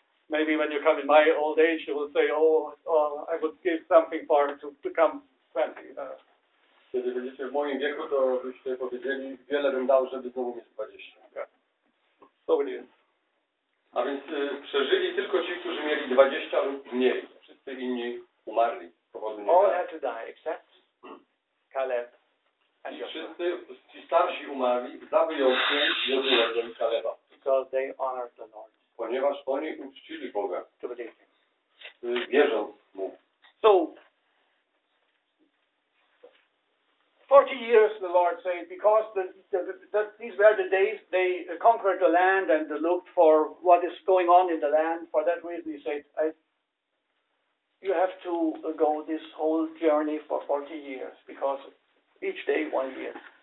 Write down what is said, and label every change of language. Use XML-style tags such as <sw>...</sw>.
<en>Maybe when you come in my old age, you will say, I would give something for it to become 20.</en> <pl>Kiedy będziecie w moim wieku, to byście powiedzieli, wiele bym dał, żeby znowu mieć 20.</pl> <en>So it is.</en> <pl>A więc przeżyli tylko ci, którzy mieli 20 lub mniej. Wszyscy inni umarli.</pl> <en>All had to die, except Caleb.</en> <pl>I wszyscy ci starsi umarli, za wyjątkiem Jozuego i Kaleba.</pl> <en>Because they honored the Lord.</en> <pl>Ponieważ oni uczcili Boga.</pl> <en>To believe him.</en> <pl>Wierząc mu.</pl> <en>So, 40 years the Lord said, because these were the days they conquered the land and they looked for what is going on in the land. For that reason he said, you have to go this whole journey for 40 years, because each day, one year.</en>